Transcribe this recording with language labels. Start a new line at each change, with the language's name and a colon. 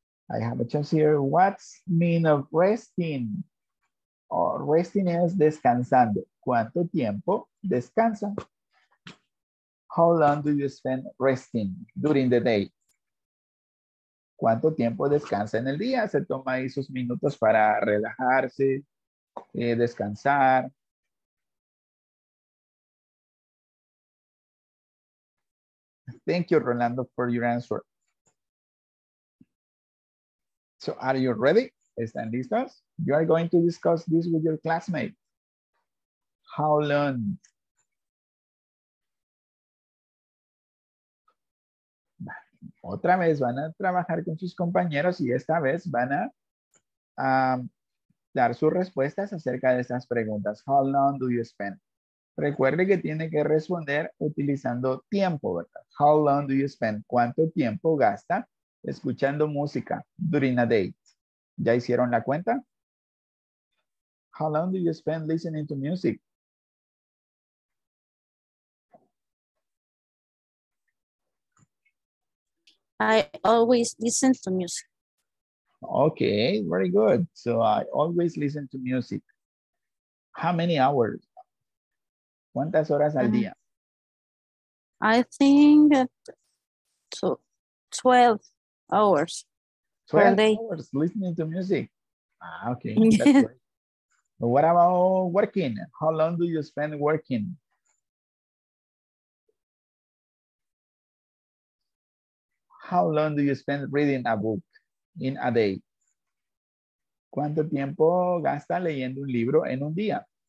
English: I have a chance here. What's mean of resting? Or resting is
Spanish: descansando. ¿Cuánto tiempo descansa?
English: How long do you spend resting during the day?
Spanish: ¿Cuánto tiempo descansa en el día? Se toma ahí sus minutos para relajarse, descansar.
English: Thank you, Rolando, for your answer. So are you ready?
Spanish: ¿Están listos?
English: You are going to discuss this with your classmate. How long?
Spanish: Otra vez van a trabajar con sus compañeros y esta vez van a dar sus respuestas acerca de esas preguntas.
English: How long do you spend?
Spanish: Recuerde que tiene que responder utilizando tiempo, ¿verdad?
English: How long do you spend?
Spanish: ¿Cuánto tiempo gasta escuchando música
English: during a date?
Spanish: ¿Ya hicieron la cuenta?
English: How long do you spend listening to music? I always listen to music. Okay, very good. So I always listen to music. How many hours?
Spanish: ¿Cuántas horas al día?
English: I think 12 hours. 12 per hours day. Listening to music. Ah, okay. That's great. What about working? How long do you spend working? How long do you spend reading a book in a day?
Spanish: ¿Cuánto tiempo gasta leyendo un libro en un día?